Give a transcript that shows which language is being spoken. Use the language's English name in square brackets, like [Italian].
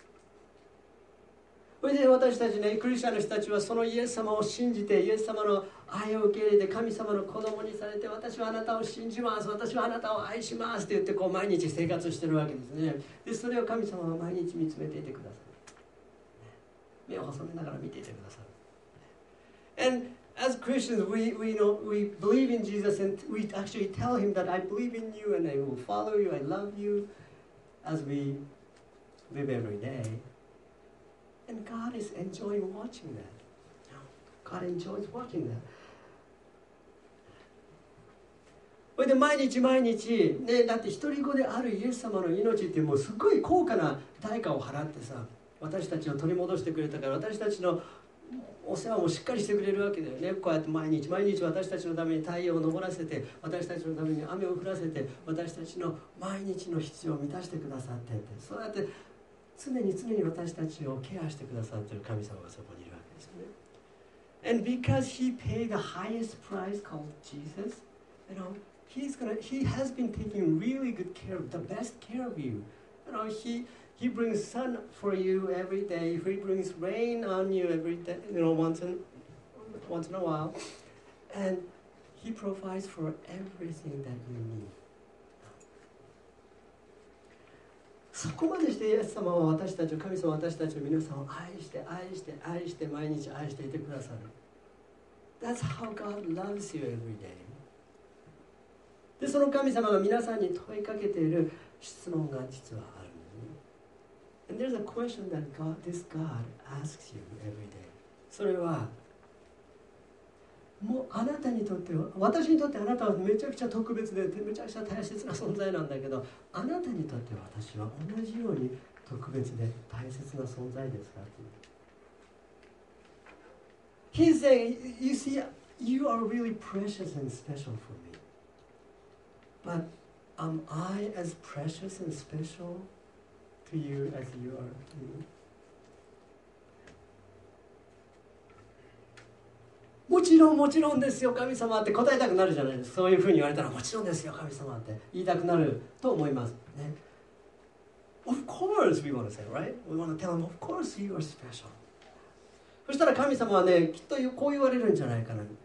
[English] For you. [Japanese] それで私たちね、クリスチャンの人たちはそのイエス様を信じて、イエス様の愛を受け入れて、神様の子供にされて、私はあなたを信じます、私はあなたを愛しますって言ってこう毎日生活してるわけですね。でそれを神様は毎日見つめていてくださる、目を細めながら見ていてくださる。 [English] AndAs Christians, we know, we believe in Jesus and we actually tell Him that I believe in you and I will follow you, I love you as we live every day. And God is enjoying watching that. God enjoys watching that. [Japanese] それで毎日毎日、ね、だって一人子であるイエス様の命ってもうすごい高価な代価を払ってさ、私たちを取り戻してくれたから、私たちのお世話もしっかりしてくれるわけだよね。こうやって毎日毎日私たちのために太陽を昇らせて、私たちのために雨を降らせて、私たちの毎日の必要を満たしてくださってって、そうやって常に常に私たちをケアしてくださっている神様がそこにいるわけですよね。 [English] And because he paid the highest price called Jesus, you know, he has been taking really good care of, the best care of you. You know, He brings sun for you every day. He brings rain on you every day, you know, once in a while. And He provides for everything that you need. [Japanese] そこまでしてイエス様は私たちを、神様は私たちを皆さんを愛して愛して愛して毎日愛していてくださる。 [English] That's how God loves you every day. [Japanese] で、その神様が皆さんに問いかけている質問が実はあるのね。 [English] And there's a question that this God asks you every day. [Japanese] それはもうあなたにとっては、私にとってあなたはめちゃくちゃ特別で、めちゃくちゃ大切な存在なんだけど、あなたにとって私は同じように特別で大切な存在ですか？ [English] He's saying, you see, you are really precious and special for me. But am I as precious and special to you as you are to me? [Japanese] もちろんもちろんですよ神様って答えたくなるじゃないですか。そういうふうに言われたらもちろんですよ神様って言いたくなると思いますね。 [English] Of course we want to say, right? We want to tell him, of course you are special. [Japanese] そしたら神様はね、きっとこう言われるんじゃないかな。